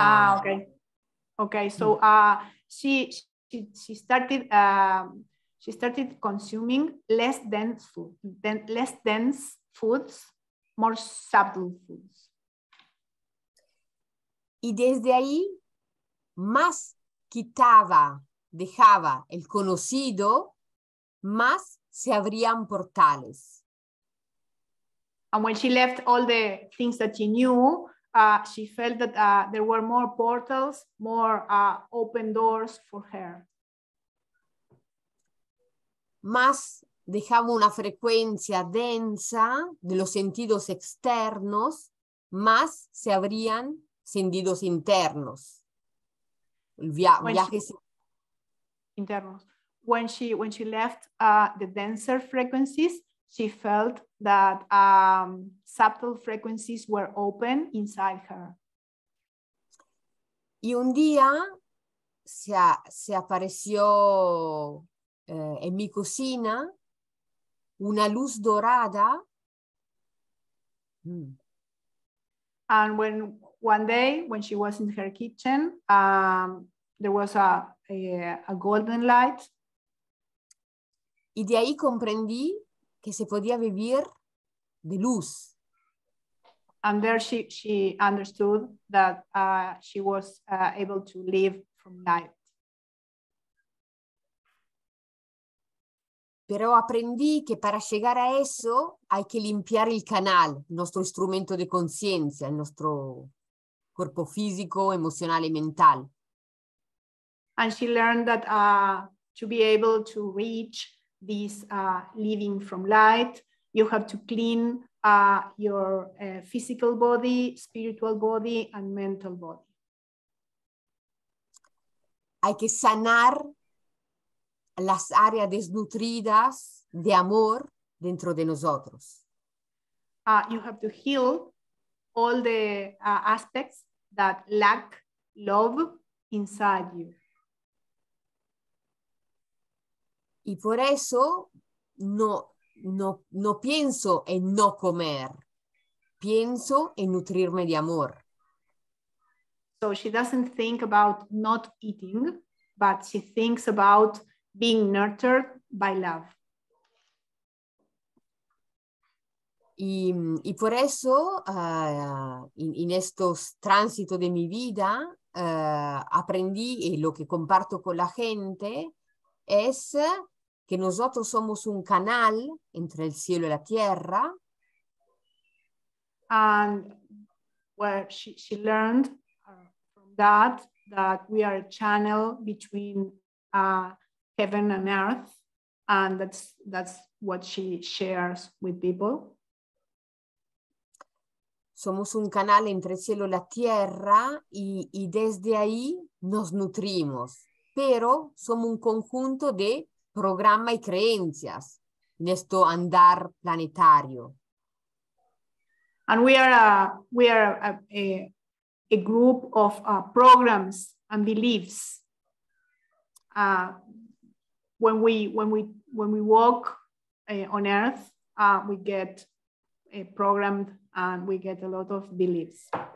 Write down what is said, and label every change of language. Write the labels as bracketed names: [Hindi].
[English] Ah, okay. Okay, so she started consuming less dense food, less dense foods, more subtle foods. [Spanish] Y desde ahí, más quitaba, dejaba el conocido, más se abrían portales. [English] And when she left all the things that she knew, she felt that there were more portals, more open doors for her. [Spanish] Más dejaba una frecuencia densa de los sentidos externos, más se abrían sentidos internos. [English] When she left the denser frequencies, she felt that subtle frequencies were open inside her. [Spanish] Y un día se apareció en mi cocina una luz dorada. Mm. [English] And when one day, when she was in her kitchen, there was a golden light. [Spanish] Y de ahí comprendí que se podía vivir de luz. [English] And there she understood that she was able to live from light. [Spanish] Pero aprendí que para llegar a eso hay que limpiar el canal, nuestro instrumento de conciencia, nuestro cuerpo físico, emocional y mental. [English] And she learned that to be able to reach this living from light, you have to clean your physical body, spiritual body, and mental body. [Spanish] Hay que sanar las áreas desnutridas de amor dentro de nosotros. [English] You have to heal all the aspects that lack love inside you. [Spanish] Y por eso no pienso en no comer. Pienso en nutrirme de amor. [English] So she doesn't think about not eating, but she thinks about being nurtured by love. [Spanish] Y por eso, en estos tránsitos de mi vida, aprendí y lo que comparto con la gente es que nosotros somos un canal entre el cielo y la tierra. [English] And where she learned from that we are a channel between heaven and earth, and that's what she shares with people. [Spanish] Somos un canal entre el cielo y la tierra y desde ahí nos nutrimos, pero somos un conjunto de programa y creencias en esto andar planetario. [English] And we are a group of programs and beliefs. When we walk on Earth, we get programmed and we get a lot of beliefs.